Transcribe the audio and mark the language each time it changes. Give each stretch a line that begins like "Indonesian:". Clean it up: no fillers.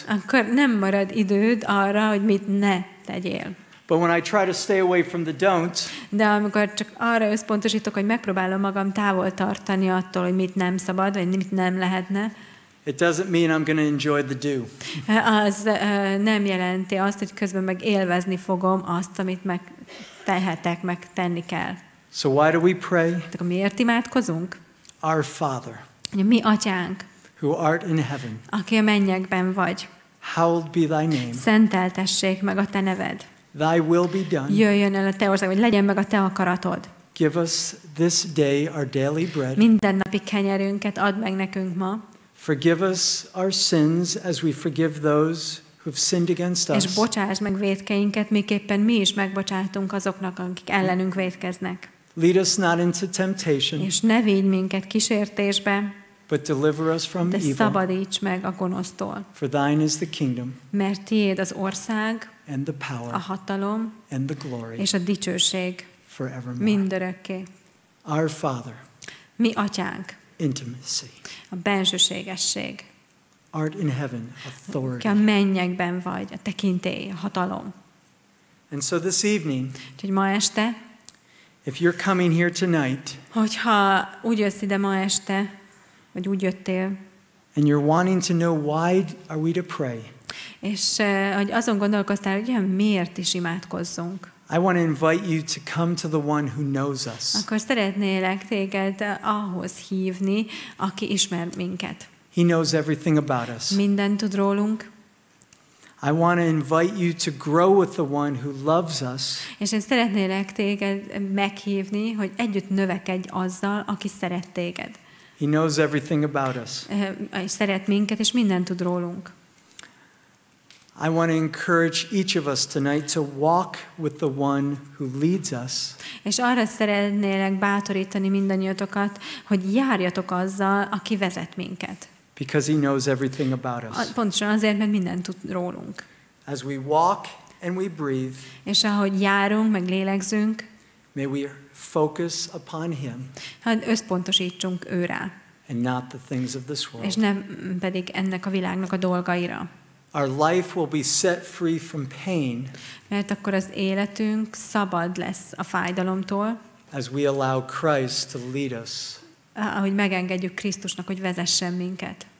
Hungarian: Akkor nem marad időd arra, hogy mit ne tegyél.
English: But when I try to stay away from the don't,
Hungarian: de amikor csak arra összpontosítok, hogy megpróbálom magam távol tartani attól, hogy mit nem szabad, vagy mit nem lehetne,
English: it doesn't mean I'm going to enjoy the do.
Hungarian: Az nem jelenti azt, hogy közben meg élvezni fogom azt, amit meg tehetek, meg tenni kell.
English: So why do we pray?
Hungarian: Tehát miért imádkozunk?
English: Our Father.
Hungarian: Mi atyánk.
English: Who art in heaven.
Hungarian: Aki a mennyekben vagy.
English: Hallowed be thy name.
Hungarian: Szenteltessék meg a te neved.
English: Thy will be done.
Hungarian: Jöjjön el a te ország, vagy legyen meg a te akaratod.
English: Give us this day our daily bread.
Hungarian: Minden napi kenyerünket add meg nekünk ma.
English: Forgive us our sins as we forgive those who've sinned against us.
Hungarian: És bocsásd meg vétkeinket, miképpen mi is megbocsátunk azoknak, akik ellenünk vétkeznek.
English: Lead us not into temptation.
Hungarian: És ne vigy minket kísértésbe.
English: But deliver us from
Hungarian: de
English: evil.
Hungarian: De szabadíts meg a gonosztól.
English: For thine is the kingdom.
Hungarian: Mert tiéd az ország.
English: And the power.
Hungarian: A hatalom.
English: And the glory.
Hungarian: És a dicsőség.
English: Forevermore.
Hungarian: Mindörökké.
English: Our Father.
Hungarian: Mi atyánk.
English: Intimacy.
Hungarian: A bensőségesség.
English: Art in heaven, authority.
Hungarian: Ki a mennyekben vagy, a tekintély, a hatalom.
English: And so this evening,
Hungarian: úgyhogy ma este,
English: if you're coming here tonight,
Hungarian: hogyha úgy jössz ide ma este, vagy úgy jöttél,
English: and you're wanting to know why are we to pray,
Hungarian: és hogy azon gondolkoztál, hogy miért is imádkozzunk,
English: I want to invite you to come to the one who knows us.
Hungarian: Akkor szeretnélek téged ahhoz hívni, aki ismer minket.
English: He knows everything about us.
Hungarian: Minden tud rólunk.
English: I want to invite you to grow with the one who loves us.
Hungarian: És én szeretnélek téged meghívni, hogy együtt növekedj azzal, aki szeret téged.
English: He knows everything about us.
Hungarian: És szeret minket, és minden tud rólunk.
English: I want to encourage each of us tonight to walk with the one who leads us.
Hungarian: És arra szeretnélek bátorítani mindannyiatokat, hogy járjatok azzal, aki vezet minket.
English: Because he knows everything about us.
Hungarian: Pontosan azért, mert mindent tud rólunk.
English: As we walk and we breathe.
Hungarian: És ahogy járunk, meg lélegzünk.
English: May we focus upon him.
Hungarian: Hát összpontosítsunk őre.
English: And not the things of this world.
Hungarian: És nem pedig ennek a világnak a dolgaira.
English: Our life will be set free from pain.
Hungarian: Mert akkor az életünk szabad lesz a fájdalomtól.
English: As we allow Christ to lead us.
Hungarian: Ahogy megengedjük Krisztusnak, hogy vezessen minket.